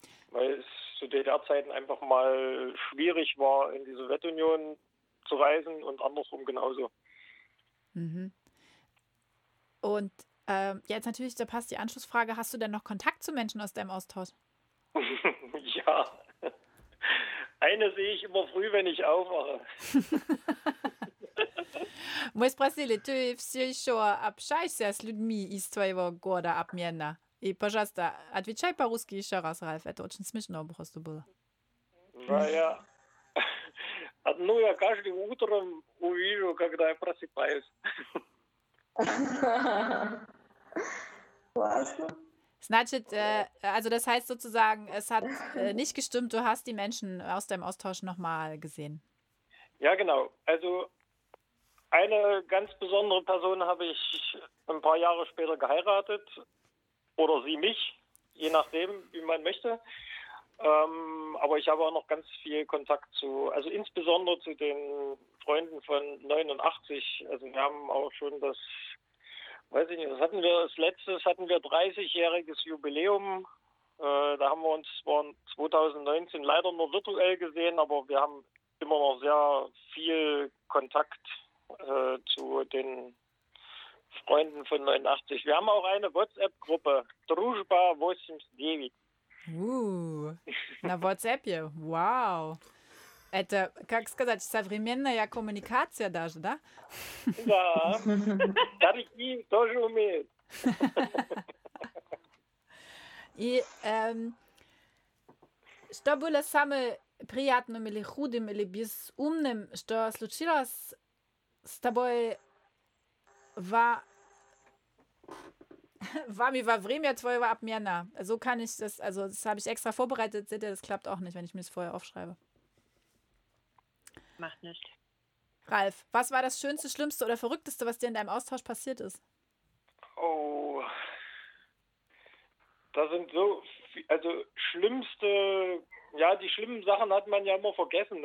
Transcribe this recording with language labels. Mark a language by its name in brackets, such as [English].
[German] Weil es zu DDR-Zeiten einfach mal schwierig war, in die Sowjetunion zu reisen und andersrum genauso. Mhm. Und jetzt natürlich, da passt die Anschlussfrage, hast du denn noch Kontakt zu Menschen aus deinem Austausch? Ja, eine sehe ich immer früh, wenn ich aufwache. [Russian] Мы спросили, ты все еще общаешься с людьми из твоего города обмена? И, пожалуйста, отвечай по-русски еще раз, Ralf. Это очень смешно просто было. Да, одну я каждым утром увижу, когда я просыпаюсь. Классно. Значит, [German] also das heißt sozusagen, es hat nicht gestimmt, du hast die Menschen aus deinem Austausch nochmal gesehen. Ja, genau. Also eine ganz besondere Person habe ich ein paar Jahre später geheiratet. Oder sie mich, je nachdem, wie man möchte. Aber ich habe auch noch ganz viel Kontakt zu, also insbesondere zu den Freunden von 89. Also wir haben auch schon das weiß ich nicht, das hatten wir als letztes, hatten wir 30-jähriges Jubiläum. Da haben wir uns 2019 leider nur virtuell gesehen, aber wir haben immer noch sehr viel Kontakt zu den Freunden von 89. Wir haben auch eine WhatsApp-Gruppe, Druzhba 89. [Russian] На WhatsApp-е? Вау! Это, как сказать, современная коммуникация даже, да? Да. Старики тоже умеют. И что было самым приятным или худым, или безумным, что случилось с тобой Вами во время твоего обмена. [German] So kann ich das, also das habe ich extra vorbereitet, seht ihr, das klappt auch nicht, wenn ich mir das vorher aufschreibe. Macht nichts. Ralf, was war das Schönste, Schlimmste oder Verrückteste, was dir in deinem Austausch passiert ist? Oh, da sind so, also Schlimmste, ja, die schlimmen Sachen hat man ja immer vergessen.